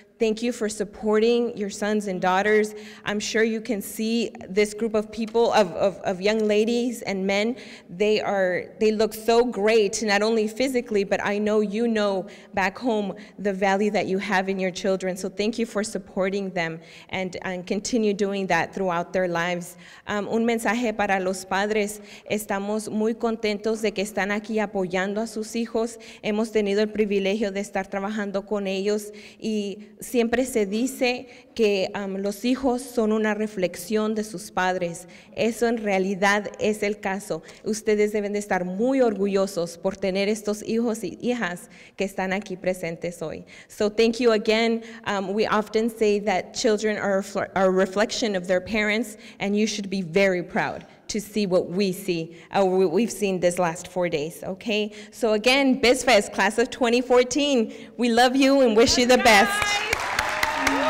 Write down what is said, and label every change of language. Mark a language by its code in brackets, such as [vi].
[en] Thank you for supporting your sons and daughters. I'm sure you can see this group of people, of young ladies and men. They look so great, not only physically, but I know you know back home the value that you have in your children. So thank you for supporting them and continue doing that throughout their lives. [es] Un mensaje para los padres. Estamos muy contentos de que están aquí apoyando a sus hijos. Hemos tenido el privilegio de estar trabajando con ellos y siempre se dice que los hijos son una reflexión de sus padres. Eso en realidad es el caso. Ustedes deben de estar muy orgullosos por tener estos hijos y hijas que están aquí presentes hoy. [en] So thank you again. We often say that children are a reflection of their parents, and you should be very proud to see what we see, what we've seen this last 4 days, okay? So again, BizFest, class of 2014, we love you and wish you the best.